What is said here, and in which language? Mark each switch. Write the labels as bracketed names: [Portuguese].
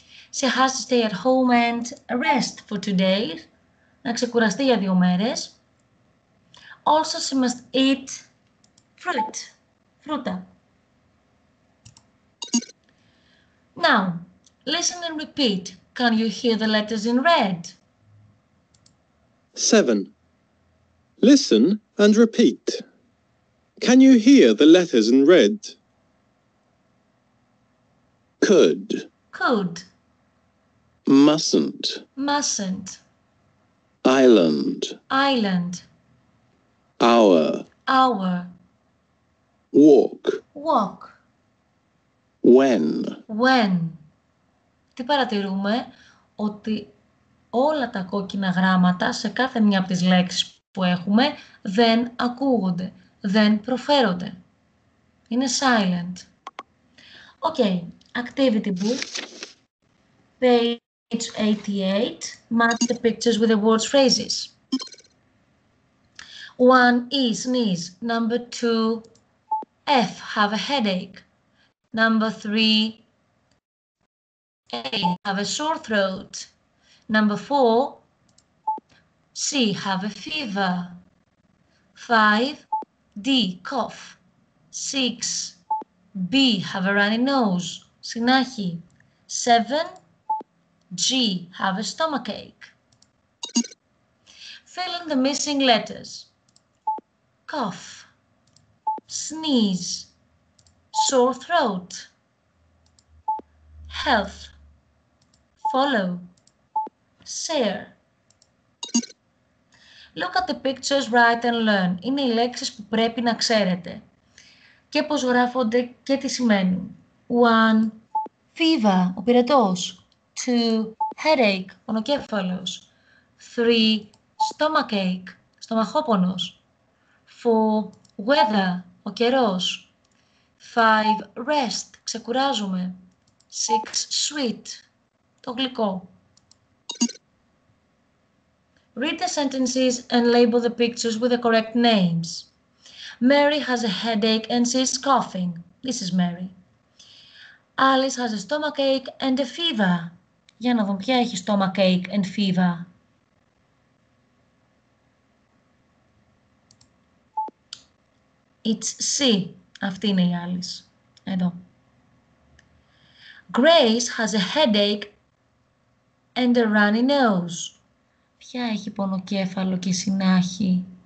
[English] She has to stay at home and rest for 2 days. [Greek] Να ξεκουραστεί για 2 μέρες. [English] Also, she must eat fruit. [Greek] Φρούτα. [English] Now, listen and repeat. Can you hear the letters in red? 7. Listen and repeat. Can you hear the letters in red? Could. Could. Mustn't. Mustn't. Island. Island. Hour. Hour. Walk. Walk. When. When. [Greek] Τι παρατηρούμε, ότι όλα τα κόκκινα γράμματα σε κάθε μία από τις λέξεις που έχουμε δεν ακούγονται, δεν προφέρονται. Είναι [English] silent. Okay, activity book, page 88, match the pictures with the words phrases. One is sneeze, number two, F, have a headache, number three, A, have a sore throat. Number 4, C, have a fever. 5, D, cough. 6, B, have a runny nose. [Greek] Συνάχη. [English] 7, G, have a stomachache. Fill in the missing letters. Cough. Sneeze. Sore throat. Health. Follow. Share. Look at the pictures, write and learn. [Greek] Είναι οι λέξεις που πρέπει να ξέρετε. Και πώς γράφονται και τι σημαίνουν. 1. [English] Fever, [Greek] ο πυρετός. [English] 2. Headache, [Greek] πονοκέφαλος. [English] 3. Stomachache, [Greek] στομαχόπονος. [English] 4. Weather, [Greek] ο καιρός. [English] 5. Rest, [Greek] ξεκουράζουμε. 6. [English] Sweet. [Greek] Το γλυκό. [English] Read the sentences and label the pictures with the correct names. Mary has a headache and she is coughing. This is Mary. Alice has a stomachache and a fever. [Greek] Για να δούμε ποια έχει [English] stomachache and fever. It's C. [Greek] Αυτή είναι η Alice. Εδώ. [English] Grace has a headache and a runny nose. [Greek] Ποια έχει πονοκέφαλο και συνάχη?